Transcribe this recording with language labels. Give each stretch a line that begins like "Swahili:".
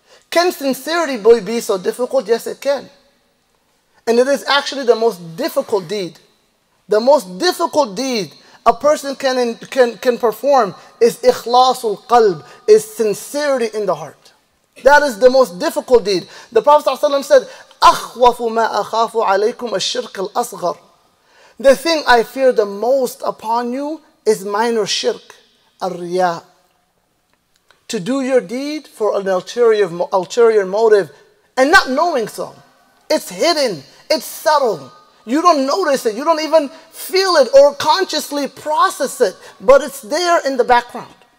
English: Can sincerity be so difficult? Yes, it can. And it is actually the most difficult deed. The most difficult deed a person can perform is ikhlasul qalb, is sincerity in the heart. That is the most difficult deed. The Prophet ﷺ said,
Arabic: أَخْوَفُ مَا أَخَافُ عَلَيْكُمْ الشِّرْكَ الْأَصْغَرُ.
English: The thing I fear the most upon you is minor shirk, الرِّيَا. To do your deed for an ulterior motive and not knowing so. It's hidden, it's subtle. You don't notice it, you don't even feel it or consciously process it, but it's there in the background.